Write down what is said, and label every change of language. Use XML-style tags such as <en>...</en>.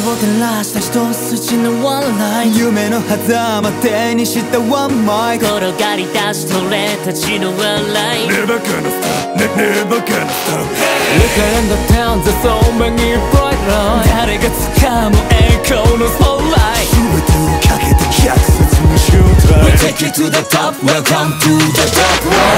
<ja>闇を照らした一筋のワンライン夢の狭間手にしたワンマイク転がり出す俺たちのワンライン</ja> <en>Never gonna stop Never gonna stop Look around the town There's so many bright lights</en> <ja>誰が掴む栄光のスポットライト全てをかけて</ja> <en>We'll take it to the top Welcome to the top world</en>